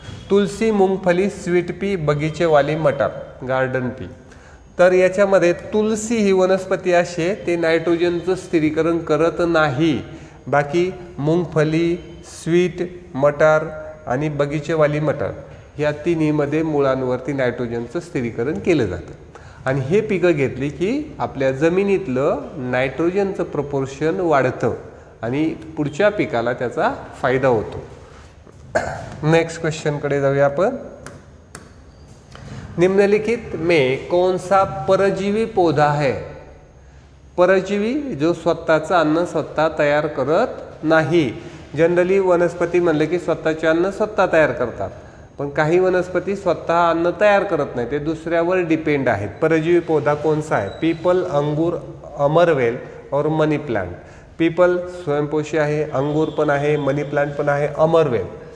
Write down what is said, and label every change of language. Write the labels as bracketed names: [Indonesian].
[Marathi] तुलसी, मूंगफली, sweet pea, बगीचेवाली मटार, garden pea, तर याच्यामध्ये तुलसी ही वनस्पती अशी आहे ते नायट्रोजनचं स्थिरीकरण करत नाही, बाकी मूंगफली, स्वीट, मटार आणि बगीचेवाली मटार या तिन्हीमध्ये मुळांवरती नायट्रोजनचं स्थिरीकरण केलं जातं आणि हे पिकं घेतली की आपल्या जमिनीतलं नायट्रोजनचं प्रपोर्शन वाढतं आणि पुढच्या पिकाला त्याचा फायदा होतो. नेक्स्ट क्वेश्चनकडे जाऊया आपण. [Hindi] निम्नलिखित मे कोण सा परजीवी पौधा है. [Marathi] परजीवी जो स्वतःचं अन्न स्वतः तयार करत नाही. जनरली वनस्पती म्हणलं की स्वतःचे अन्न स्वतः तयार करतात, पण काही वनस्पती स्वतः अन्न तयार करत नाही, ते दुसऱ्यावर डिपेंड आहेत. परजीवी पौधा कोणसा आहे, [Hindi] पीपल, अंगूर, अमरवेल और मनी प्लांट. [Marathi] पीपल स्वयंपोषी आहे, अंगूर पण आहे, मनी प्लांट पण आहे, अमरवेल.